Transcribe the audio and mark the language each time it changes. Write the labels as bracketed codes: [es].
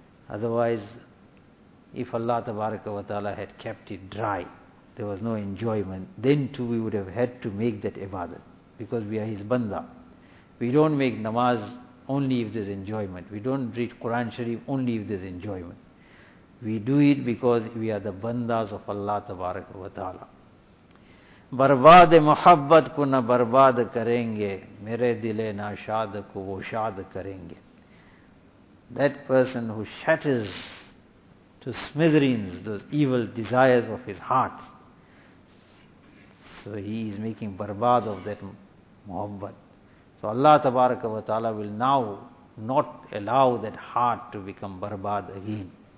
[en] Otherwise, if Allah tabaraka wa ta'ala had kept it dry, there was no enjoyment, then too we would have had to make that ibadat, because we are His banda. We don't make namaz only if there's enjoyment. We don't read Quran Sharif only if there's enjoyment. We do it because we are the bandas of Allah Tabaraka wa Ta'ala. [ur] برباد محبت کو نہ برباد کریں گے میرے دل ناشاد کو وہ شاد کریں گے. [en] That person who shatters to smithereens those evil desires of his heart, so he is making برباد of that محبت. So Allah تبارک و تعالی will now not allow that heart to become برباد again.